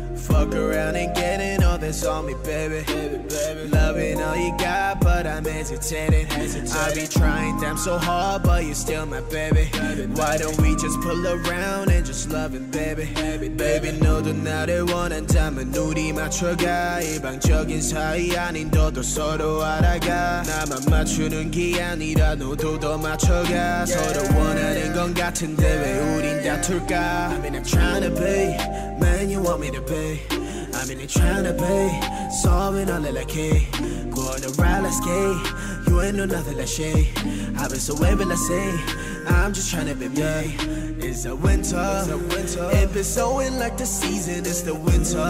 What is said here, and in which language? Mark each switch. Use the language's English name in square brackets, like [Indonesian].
[English] Fuck around and getting all this on me, baby. Loving all you got, but I'm hesitating. I be trying damn so hard, but you're still my baby. Why don't we just pull around and just love it, baby? Baby, no, do not want a diamond. [Korean] 눈이 맞춰가. 일방적인 사이 아닌 너도 서로 알아가. 나만 맞추는 게 아니라 너도 더 맞춰가. 서로 원하는 건 같은데 왜 우린 다툴까? [English] I mean, I'm trying to be. Man, you want me to be. I mean, I'm trying to be. Solving all the like hey. Going around like skate. You ain't know nothing like shade. I've been so wavy, let's say. I'm just trying to be me. Yeah. It's a winter. It be snowing like the season. It's the winter.